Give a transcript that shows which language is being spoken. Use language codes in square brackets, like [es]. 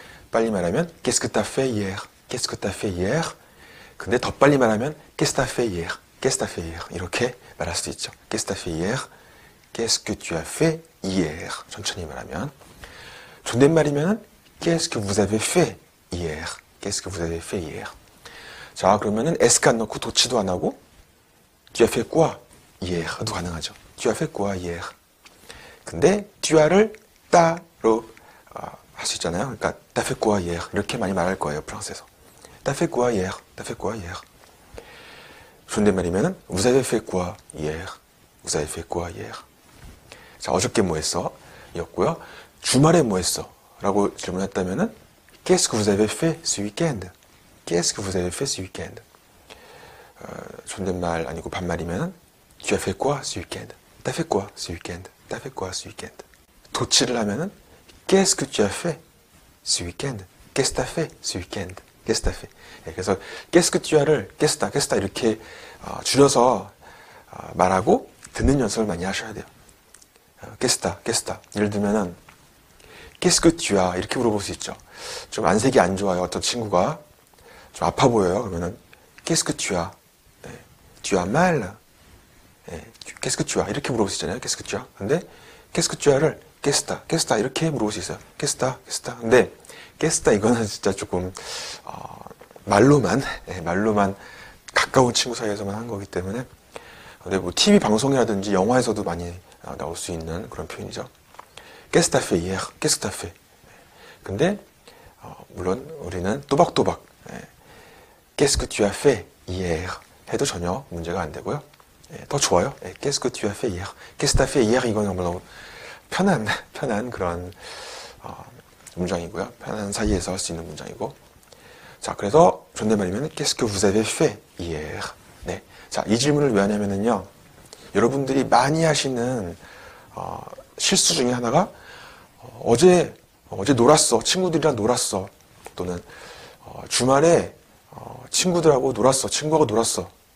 [ko] 빨리 말하면 [fr] Qu'est-ce que tu as fait hier? Qu'est-ce que tu as fait hier? [ko] 근데 더 빨리 말하면 [fr] Qu'est-ce que tu as fait hier? Qu'est-ce que tu as fait hier? [ko] 이렇게 말할 수도 있죠. [fr] Qu'est-ce que tu as fait hier? Qu'est-ce que tu as fait hier? [ko] 천천히 말하면. 존댓말이면 [fr] Qu'est-ce que vous avez fait hier? Qu'est-ce que vous avez fait hier? [ko] 자, 그러면은 S가 안 넣고 도치도 안 하고 [fr] Tu as fait quoi hier? [ko] 도 가능하죠. [fr] Tu as fait quoi hier? [ko] 근데 Tu as를 따로 할수 있잖아요. 그러니까 [fr] T'as fait quoi hier? [ko] 이렇게 많이 말할 거예요. 프랑스에서. [fr] T'as fait quoi hier? T'as fait quoi hier? [ko] 존댓말이면은 [fr] Vous avez fait quoi hier? Vous avez fait quoi hier? [ko] 자, 어저께 뭐 했어? 였고요. 주말에 뭐 했어? 라고 질문했다면은 [fr] Qu'est-ce que vous avez fait ce weekend? Qu'est-ce que vous avez fait ce weekend? [ko] 존댓말 아니고 반말이면 [fr] Tu as fait quoi ce weekend? T'as fait quoi ce weekend? T'as fait quoi ce weekend? [ko] 도치를 하면은 [fr] Qu'est-ce que tu as fait ce weekend? Qu'est-ce que t'as fait ce weekend? Qu'est-ce que t'as fait? [ko] 네, 그래서 Qu'est-ce que tu as를 Qu'est-ce que t'as 이렇게 줄여서 말하고 듣는 연습을 많이 하셔야 돼요. [fr] Qu'est-ce que t'as? [ko] 예를 들면은 [fr] Qu'est-ce que tu as? [ko] 이렇게 물어볼 수 있죠. 좀 안색이 안 좋아요. 어떤 친구가 좀 아파 보여요. 그러면은 [fr] Qu'est-ce que tu as? 네. Tu as mal? 네. Qu'est-ce que tu as? [ko] 이렇게 물어볼 수 있잖아요. [fr] Qu'est-ce que tu as? [ko] 근데 [fr] Qu'est-ce que tu as를 Qu'est-ce que t'as? [ko] 이렇게 물어볼 수 있어요. [fr] Qu'est-ce que t'as? [ko] 근데 [fr] Qu'est-ce que t'as? [ko] 이거는 진짜 조금 말로만 네. 말로만 가까운 친구 사이에서만 한 거기 때문에 근데 뭐 TV 방송이라든지 영화에서도 많이 나올 수 있는 그런 표현이죠. [fr] Qu'est-ce que t'as fait hier? Qu'est-ce que t'as fait? [ko] 근데 물론 우리는 또박또박 네. [fr] Qu'est-ce que tu as fait hier? [ko] 해도 전혀 문제가 안 되고요. 예, 더 좋아요. [fr] 예, Qu'est-ce que tu as fait hier? Qu'est-ce que tu as fait hier? [ko] 이건 너무 편한 그런 문장이고요. 편한 사이에서 할수 있는 문장이고. 자, 그래서 존댓말이면 [fr] Qu'est-ce que vous avez fait hier? [ko] 네. 자, 이 질문을 왜 하냐면요. 여러분들이 많이 하시는 실수 중에 하나가 어제 놀았어. 친구들이랑 놀았어. 또는 주말에 친구들하고 놀았어. 친구하고 놀았어.